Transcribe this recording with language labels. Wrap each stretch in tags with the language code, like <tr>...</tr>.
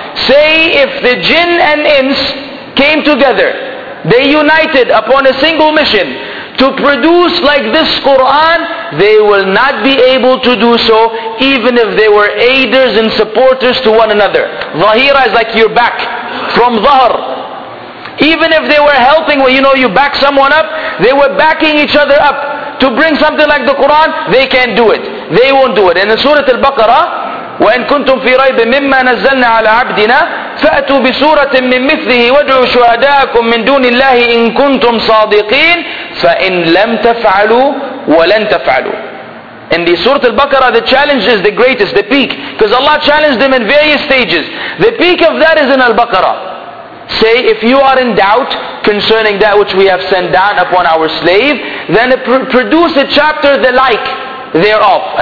<en>Say, if the jinn and ins came together, they united upon a single mission to produce like this Quran, they will not be able to do so, even if they were aiders and supporters to one another. Zahira is like your back, from Zahar. Even if they were helping, well, you know, you back someone up, they were backing each other up to bring something like the Quran, they can't do it. They won't do it. And in Surah Al-Baqarah,</en> <ar>وَإِنْ كُنْتُمْ فِي رَيْبٍ مِمَّا نَزَّلْنَا عَلَىٰ عَبْدِنَا فَأَتُوا بِسُورَةٍ مِّن مِثْلِهِ وَادْعُوا شُهَدَاءَكُمْ مِّن دُونِ اللَّهِ إِن كُنْتُمْ صَادِقِينَ فَإِنْ لَمْ تَفْعَلُوا وَلَنْ تَفْعَلُوا.</ar> <en>In the Surah Al-Baqarah, the challenge is the greatest, the peak. Because Allah challenged them in various stages. The peak of that is in Al-Baqarah. Say, if you are in doubt concerning that which we have sent down upon our slave, then produce a chapter the like thereof.</en>